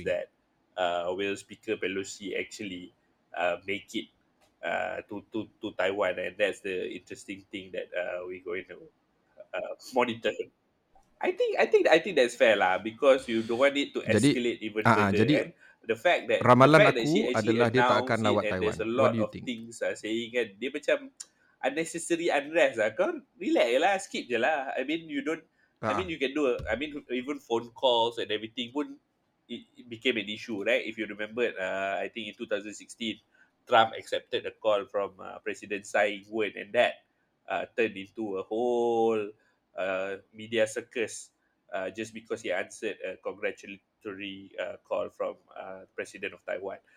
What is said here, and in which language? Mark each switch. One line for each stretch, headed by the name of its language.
English: Is that will Speaker Pelosi actually make it to Taiwan? And that's the interesting thing that we're going to monitor. I think that's fair lah. Because you don't want it to escalate
Malay: jadi,
English: even further.
Malay: Jadi,
English: the fact that
Malay: ramalan aku adalah dia tak akan lawat Taiwan.
English: There's a lot of things saying kan.
Malay: Dia macam
English: unnecessary unrest lah.
Malay: Kau relax je lah, skip je lah.
English: I mean, you don't, you can do, even phone calls and everything
Malay: pun,
English: it became an issue, right? If you remember, I think in 2016, Trump accepted a call from President Tsai Ing-wen and that turned into a whole media circus just because he answered a congratulatory call from President of Taiwan.